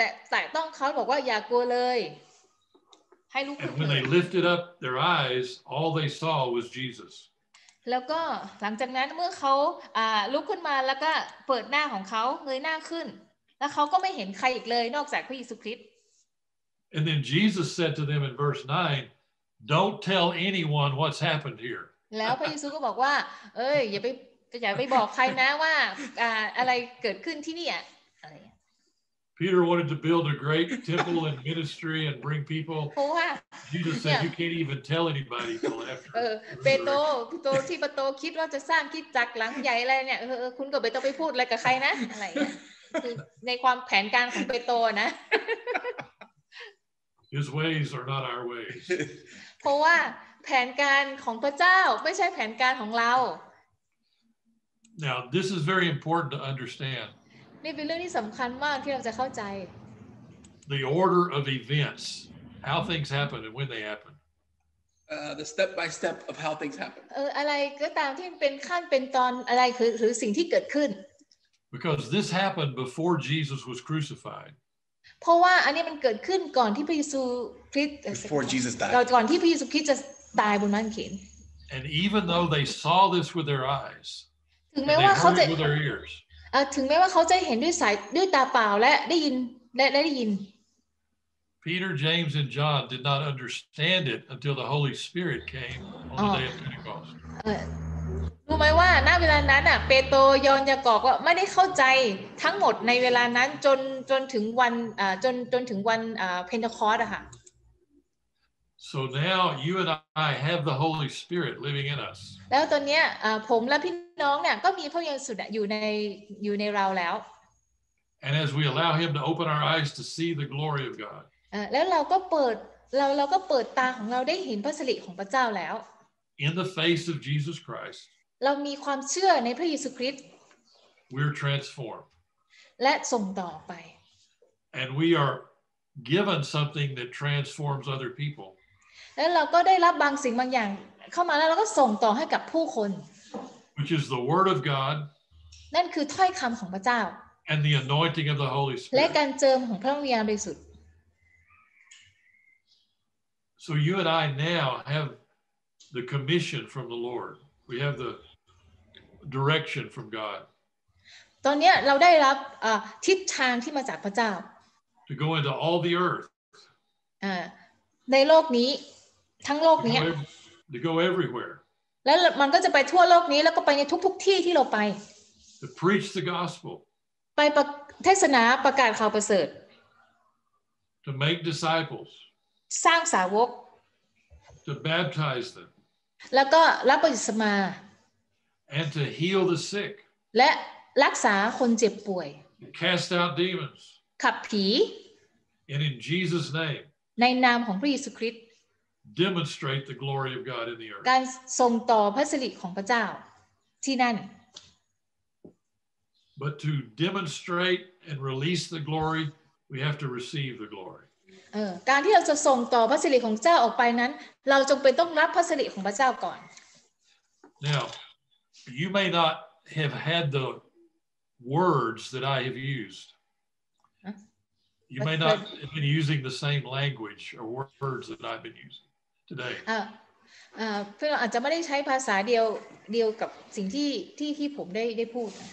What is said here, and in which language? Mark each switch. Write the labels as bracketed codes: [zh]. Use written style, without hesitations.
[th] แต่ต้องเขาบอกว่าอย่ากลัวเลยให้ลุก [en] and when they lifted up their eyes all they saw was Jesus [th] แล้วก็หลังจากนั้นเมื่อเขาลุกขึ้นมาแล้วก็เปิดหน้าของเขาเงยหน้าขึ้นแล้วเขาก็ไม่เห็นใครอีกเลยนอกจากพระเยซูคริสต์ [en] And then Jesus said to them in verse 9 Don't tell anyone what's happened here [th] แล้วพระเยซูก็บอกว่าเอ้ยอย่าไปบอกใครนะว่าอะไรเกิดขึ้นที่นี่อะ [en] Peter wanted to build a great temple and ministry and bring people Jesus said you can't even tell anybody till after [th] เปโตรที่เปโตรคิดว่าจะสร้างคริสตจักรหลังใหญ่อะไรเนี่ยคุณก็ไม่ต้องไปพูดอะไรกับใครนะอะไรในความแผนการของเปโตรนะ [en] His ways are not our ways [th] เพราะว่าแผนการของพระเจ้าไม่ใช่แผนการของเรา [en] Now this is very important to understand [th] นี่เป็นเรื่องที่สำคัญมากที่เราจะเข้าใจ [en] The order of events how things happen and when they happen the step by step of how things happen [th] อะไรก็ตามที่เป็นขั้นเป็นตอนอะไรหรือสิ่งที่เกิดขึ้น [en] Because this happened before Jesus was crucified. [th] เพราะว่าอันนี้มันเกิดขึ้นก่อนที่พระเยซูคริสต์ [en] Before Jesus died. [th] ก่อนที่พระเยซูคริสต์จะตายบนไม้กางเขน [en] And even though they saw this with their eyes. [th] ถึงแม้ว่าเขาจะถึงแม้ว่าเขาจะเห็นด้วยสายด้วยตาเปล่าและได้ยินและได้ยิน [en] Peter, James and John did not understand it until the Holy Spirit came on the day of Pentecost [th] รู้ไหมว่าณเวลานั้นน่ะเปโตรยอห์นยากอบก็ไม่ได้เข้าใจทั้งหมดในเวลานั้นจนถึงวันจนถึงวันเพนเทคอสต์อ่ะค่ะ [en] So now you and I have the Holy Spirit living in us. [th] แล้วตอนเนี้ยผมและพี่น้องเนี่ยก็มีพระวิญญาณบริสุทธิ์อยู่ในเราแล้ว [en] And as we allow him to open our eyes to see the glory of God. [th] แล้วเราก็เปิดตาของเราได้เห็นพระสิริของพระเจ้าแล้ว [en] In the face of Jesus Christ. [th] เรามีความเชื่อในพระเยซูคริสต์ [en] We're transformed. [th] และส่งต่อไป [en] And we are given something that transforms other people. [th] แล้วเราก็ได้รับบางสิ่งบางอย่างเข้ามาแล้วเราก็ส่งต่อให้กับผู้คน [en] Which is the word of God [th] นั่นคือถ้อยคำของพระเจ้า [en] And the anointing of the Holy Spirit [th] และการเจิมของพระวิญญาณบริสุทธิ์ [en] So you and I now have the commission from the Lord. We have the direction from God. [th] ตอนนี้เราได้รับทิศทางที่มาจากพระเจ้า [en] To go into all the earth. [th] ในโลกนี้ทั้งโลกนี้ [en] to go everywhere. [th] แล้วมันก็จะไปทั่วโลกนี้แล้วก็ไปในทุกที่ที่เราไป [en] to preach the gospel [th] ไปเทศนาประกาศข่าวประเสริฐ [en] to make disciples [th] สร้างสาวก [en] to baptize them [th] แล้วก็รับบัพติศมา [en] and to heal the sick [th] และรักษาคนเจ็บป่วย [en] cast out demons [th] ขับผี [en] and in Jesus name [th] ในนามของพระเยซูคริสต์ [en] demonstrate the glory of God in the earth [th] การส่งต่อพระสิริของพระเจ้าที่นั่น [en] but to demonstrate and release the glory we have to receive the glory [th] การที่เราจะส่งต่อพระสิริของเจ้าออกไปนั้นเราจงเป็นต้องรับพระสิริของพระเจ้าก่อน [en] now you may not have had the words that I have usedYou may not have been using the same language or words that I've been using today. [th] พี่น้องอาจจะไม่ได้ใช้ภาษาเดียวกับสิ่งที่ผมได้พูด